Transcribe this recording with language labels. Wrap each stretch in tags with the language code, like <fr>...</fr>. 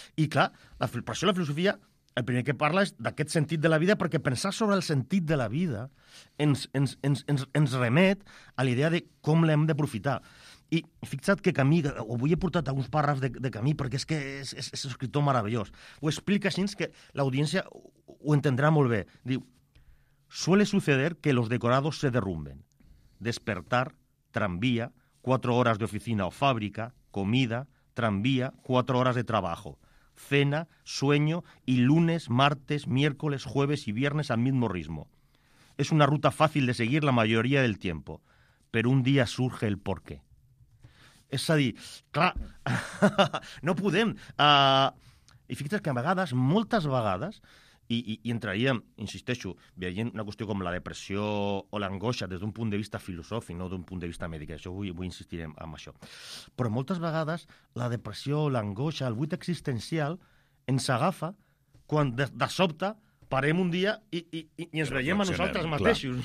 <ca>I clar, per això la filosofia, el primer que parla és d'aquest sentit de la vida, perquè pensar sobre el sentit de la vida ens remet a la idea de com l'hem d'aprofitar. I fixa't que Camí, avui he portat alguns pàrrafs de Camí, perquè és que és un escriptor meravellós. Ho explica així que l'audiència ho entendrà molt bé. Diu,</ca> <es>suele suceder que los decorados se derrumben. Despertar, tranvía, 4 horas de oficina o fábrica, comida, tranvía, 4 horas de trabajo, cena, sueño y lunes, martes, miércoles, jueves y viernes al mismo ritmo. Es una ruta fácil de seguir la mayoría del tiempo, pero un día surge el porqué.</es> <ca>És a dir, clar, no podem. I fixa't que a vegades, moltes vegades, i entraríem, insisteixo, veient una qüestió com la depressió o l'angoixa des d'un punt de vista filosòfic, no d'un punt de vista mèdic, això vull insistir en això. Però moltes vegades la depressió, l'angoixa, el buit existencial ens agafa quan de sobte parem un dia i ens veiem a nosaltres mateixos.</ca>